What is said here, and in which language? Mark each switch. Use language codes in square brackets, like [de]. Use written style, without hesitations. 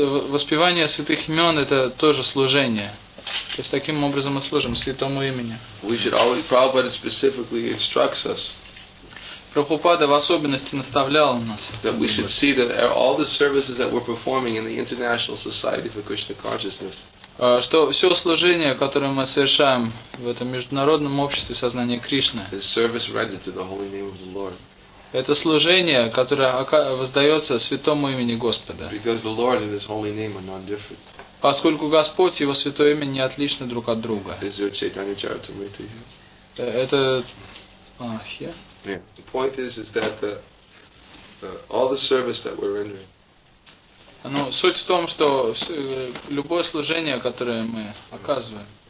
[ru] Воспевание святых имен — это тоже служение. То есть таким образом мы служим святому имени. [en] We should always, Prabhupada specifically instructs us. [ru] Прабхупада в особенности наставлял нас. [en] That we should see that all the services that we're performing in the International Society for Krishna Consciousness. [ru] Что все служение, которое мы совершаем в этом международном обществе сознания Кришны. [en] Is service rendered to the holy name of the Lord. [ru] Это служение, которое воздается святому имени Господа. [en] Because the Lord and His holy name are non-different. [ru] Поскольку Господь и Его святое имя не отличны друг от друга. [en] Is your Chaitanya Charitamrita here? [ru] Это [en] Yeah. The point is that all the service that we're rendering. [ru] Суть в том, что любое служение, которое мы оказываем.